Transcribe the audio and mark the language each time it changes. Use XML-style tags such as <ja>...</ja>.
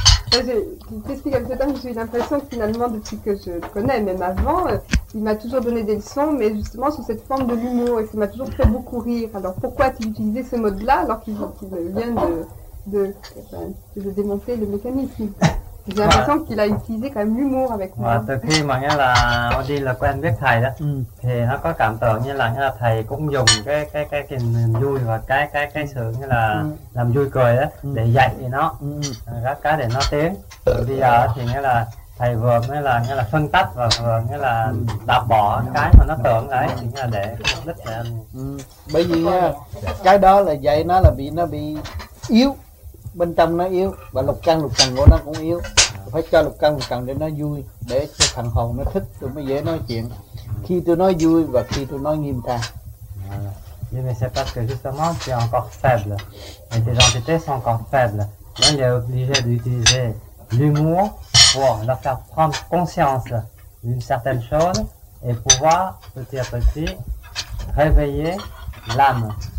<fr>Qu'est-ce qui j'ai eu l'impression que finalement, depuis que je le connais, même avant, il m'a toujours donné des leçons, mais justement sous cette forme de l'humour, et ça m'a toujours fait beaucoup rire. Alors pourquoi a-t-il utilisé ce mode-là alors qu'il vient de démonter le mécanisme? J'ai l'impression qu'il a utilisé quand même l'humour avec moi.</fr> <vi>Từ khi mà nghe là Audi là quen biết thầy đó, thì nó có cảm tưởng như là nghe là thầy cũng dùng cái niềm vui và cái sự như là làm vui cười đó để dạy nó các cái để nó tiến. Bây giờ thì nghe là thầy vừa nghe là phân tách và vừa nghe là đạp bỏ cái mà nó tưởng đấy, thì nghe là để mục đích là bởi vì cái đó là dạy nó là bị yếu. Bên trong nó yếu và lục căn của nó cũng yếu. Phải cho lục căn để nó vui, để cho thằng hồn nó thích, tôi mới dễ nói chuyện. Khi tôi nói vui và khi tôi nói nghiêm trang.</vi> <fr>Voilà. Mais c'est parce que justement tu es encore faible. Et tes entités sont encore faibles. Donc il est obligé d'utiliser l'humour pour leur faire prendre conscience d'une certaine chose et pouvoir petit à petit réveiller l'âme.</fr>